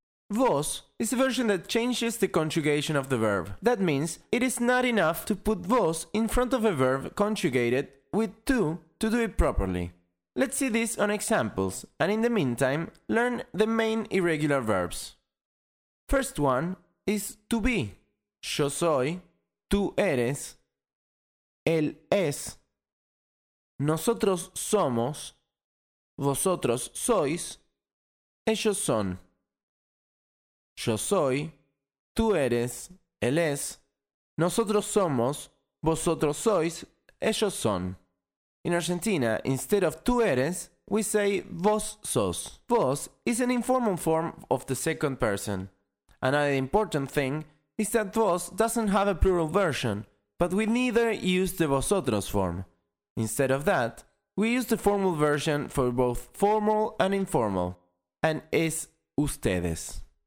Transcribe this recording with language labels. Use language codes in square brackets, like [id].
[en] Vos is a version that changes the conjugation of the verb. That means it is not enough to put vos in front of a verb conjugated with tú to do it properly. Let's see this on examples, and in the meantime, learn the main irregular verbs. First one is to be. [es] Yo soy, tú eres, él es, nosotros somos, vosotros sois, ellos son. Yo soy, tú eres, él es, nosotros somos, vosotros sois, ellos son. [en] In Argentina, instead of [es] tú eres, [en] we say [es] vos sos. [en] Vos is an informal form of the second person. Another important thing is that vos doesn't have a plural version, but we neither use the vosotros form. Instead of that, we use the formal version for both formal and informal, and es ustedes.